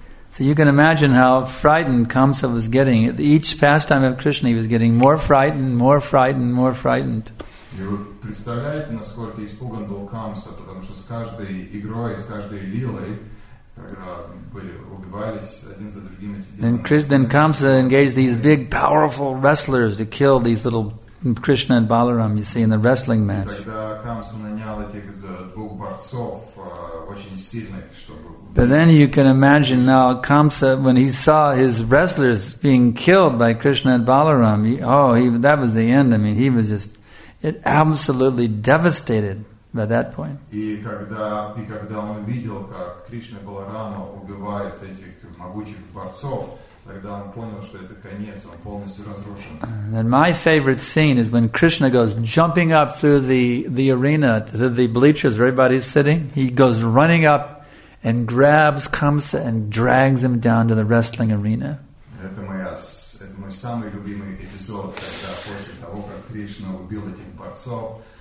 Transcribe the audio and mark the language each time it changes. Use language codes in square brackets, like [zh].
[en] So you can imagine how frightened Kamsa was getting. Each pastime of Krishna, he was getting more frightened, more frightened, more frightened. You [ru] представляете, насколько испуган был Камса, потому что с каждой игрой, с каждой лилой. [en] Then Kamsa engaged these big, powerful wrestlers to kill these little Krishna and Balaram, you see, in the wrestling match. But then you can imagine now Kamsa, when he saw his wrestlers being killed by Krishna and Balaram, that was the end. I mean, he was just absolutely devastated. At that point. [ru] И когда он видел, как Кришна Баларама убивает этих могучих борцов, тогда он понял, что это конец, он полностью разрушен. [en] And my favorite scene is when Krishna goes jumping up through the arena to the bleachers where everybody's sitting. He goes running up and grabs Kamsa and drags him down to the wrestling arena. [ru] Это мой самый любимый эпизод, когда после того, как Кришна убил этих борцов.